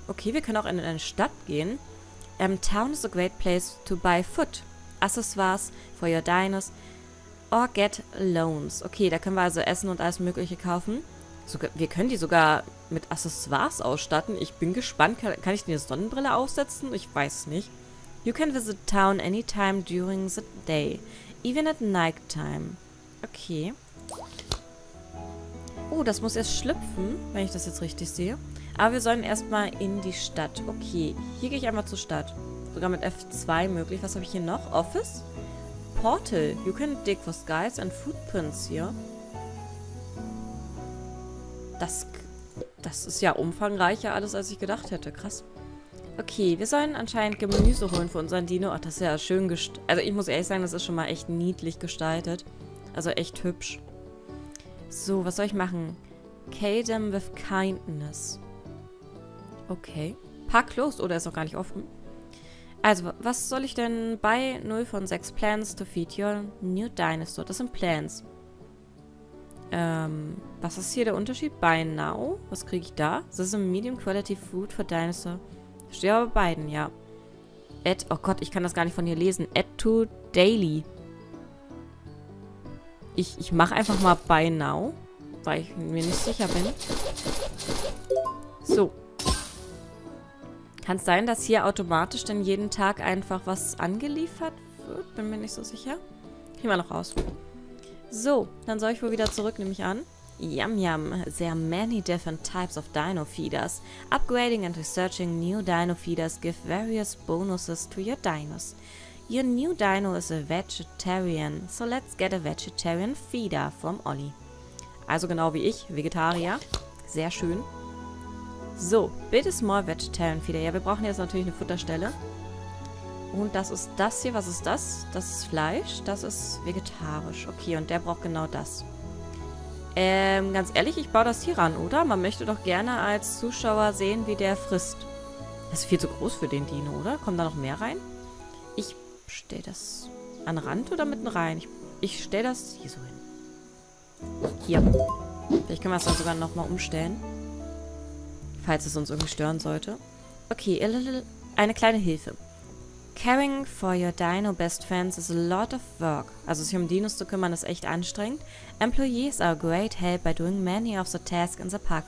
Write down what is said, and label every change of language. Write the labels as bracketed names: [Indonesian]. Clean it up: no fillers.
[German] Okay, wir können auch in eine Stadt gehen. [English] Town is a great place to buy food, accessoires for your dinos, or get loans. [German] Okay, da können wir also Essen und alles Mögliche kaufen. So, wir können die sogar mit Accessoires ausstatten. Ich bin gespannt. Kann ich dir eine Sonnenbrille aufsetzen? Ich weiß nicht. [English] You can visit town anytime during the day, even at night time. Okay. [German] Oh, das muss erst schlüpfen, wenn ich das jetzt richtig sehe. Aber wir sollen erstmal in die Stadt. Okay, hier gehe ich einmal zur Stadt. Sogar mit F2 möglich. Was habe ich hier noch? Office? Portal. You can dig for skies and footprints here. Das ist ja umfangreicher alles, als ich gedacht hätte. Krass. Okay, wir sollen anscheinend Gemüse holen für unseren Dino. Ach, das ist ja schön gestaltet. Also ich muss ehrlich sagen, das ist schon mal echt niedlich gestaltet. Also echt hübsch. So, was soll ich machen? [English] Kill them with kindness. [German] Okay. [English] Park closed. [German] Oh, der ist noch gar nicht offen. Also, was soll ich denn bei 0 von 6 [English] plans to feed your new dinosaur? [German] Das sind plans. Was ist hier der Unterschied? Buy now? Was kriege ich da? Das ist ein [English] medium quality food for dinosaur. [German] Stehe aber bei beiden, ja. Add, oh Gott, ich kann das gar nicht von hier lesen. [English] Add to daily. [German] Ich mache einfach mal buy now, weil ich mir nicht sicher bin. So. Kann es sein, dass hier automatisch denn jeden Tag einfach was angeliefert wird? Bin mir nicht so sicher. Kriegen wir noch raus. So, dann soll ich wohl wieder zurück, nehme ich an. [English] Yum yum, there are many different types of dino feeders. Upgrading and researching new dino feeders give various bonuses to your dinos. Your new dino is a vegetarian, so let's get a vegetarian feeder from Ollie. [German] Also genau wie ich, Vegetarier. Sehr schön. So, [English] build a small vegetarian feeder. [German] Ja, wir brauchen jetzt natürlich eine Futterstelle. Und das ist das hier. Was ist das? Das ist Fleisch. Das ist vegetarisch. Okay, und der braucht genau das. Ganz ehrlich, ich baue das hier ran, oder? Man möchte doch gerne als Zuschauer sehen, wie der frisst. Das ist viel zu groß für den Dino, oder? Kommen da noch mehr rein? Ich stelle das an den Rand oder mitten rein? Ich stelle das hier so hin. Hier. Vielleicht können wir es dann sogar nochmal umstellen. Falls es uns irgendwie stören sollte. Okay, eine kleine Hilfe. [English] Caring for your dino best friends is a lot of work. [German] Also sich um Dinos zu kümmern ist echt anstrengend. [English] Employees are a great help by doing many of the tasks in the park.